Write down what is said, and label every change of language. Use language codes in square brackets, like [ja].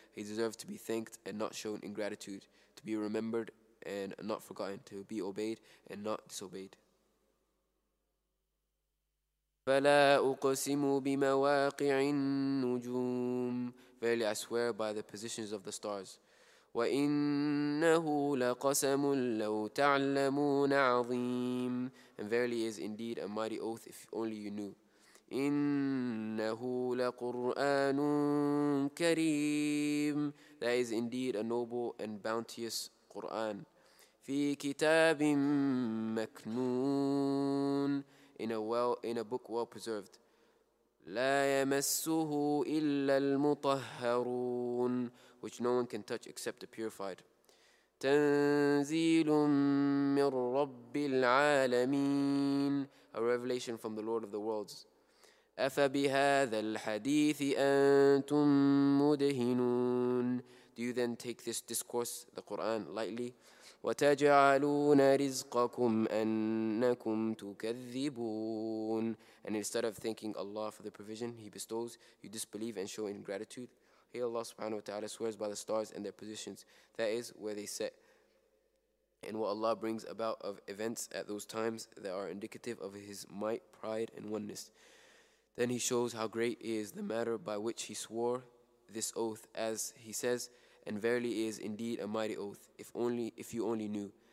[en] He deserves to be thanked and not shown ingratitude, to be remembered and not forgotten, to be obeyed and not disobeyed. [ar] فلا أقسم بمواقع النجوم. [en] Verily I swear by the positions of the stars. [ar] وإنه لقسم لو تعلمون عظيم. [en] And verily is indeed a mighty oath if only you knew. [ar] إنه لقرآن كريم. [en] That is indeed a noble and bounteous Quran. [ar] في كتاب مكنون. [en] In a book well preserved. [ar] لا يمسه إلا المطهرون, [en] which no one can touch except the purified. [ar] تنزيل من رب العالمين, [en] a revelation from the Lord of the worlds. [ar] أفبهذا الحديث أنتم مدهنون, [en] do you then take this discourse, the Quran, lightly? [ar] وتجعلون رزقكم أنكم تكذبون. [en] And instead of thanking Allah for the provision He bestows, you disbelieve and show ingratitude. Here Allah subhanahu wa ta'ala swears by the stars and their positions, that is, where they sit, and what Allah brings about of events at those times that are indicative of His might, pride, and oneness. Then He shows how great is the matter by which He swore this oath, as He says, and verily is indeed a mighty oath, if you only knew.